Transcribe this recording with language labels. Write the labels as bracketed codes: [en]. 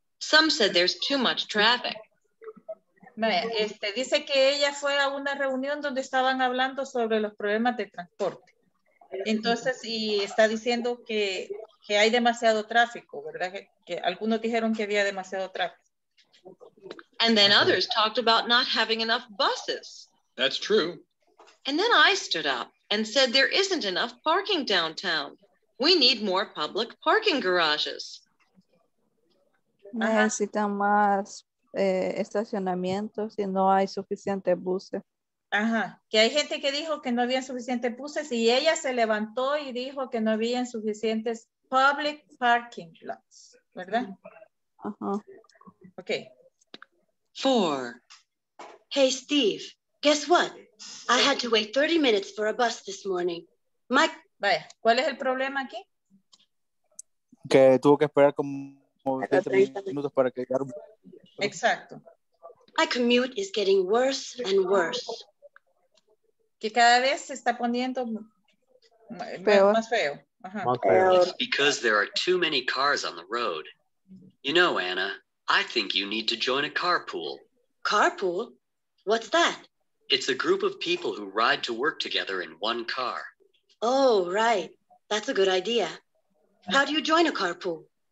[en] Some said there's too much traffic. [es] Dice que ella fue a una reunión donde estaban hablando sobre los problemas de transporte. Entonces, y está diciendo que hay demasiado tráfico, ¿verdad? Que algunos dijeron que había demasiado tráfico. [en] And then others talked about not having enough buses. That's true. And then I stood up and said there isn't enough parking downtown. We need more public parking garages. [es] Necesitan más estacionamientos y no hay suficientes buses. Ajá, que hay gente que dijo que no había suficientes buses y ella se levantó y dijo que no había suficientes [en] public parking lots, [es] ¿verdad? Ajá. [en] Okay. Four. Hey, Steve, guess what? I had to wait 30 minutes for a bus this morning. [es] Vaya, ¿cuál es el problema aquí? Que tuvo que esperar como 30 minutos para que llegara. Exacto. [en] My commute is getting worse and worse. [es] Que cada vez se está poniendo más feo. Ajá. Más feo. [en] It's because there are too many cars on the road. You know, Anna, I think you need to join a carpool. Carpool? What's that? It's a group of people who ride to work together in one car. Oh, right. That's a good idea. How do you join a carpool?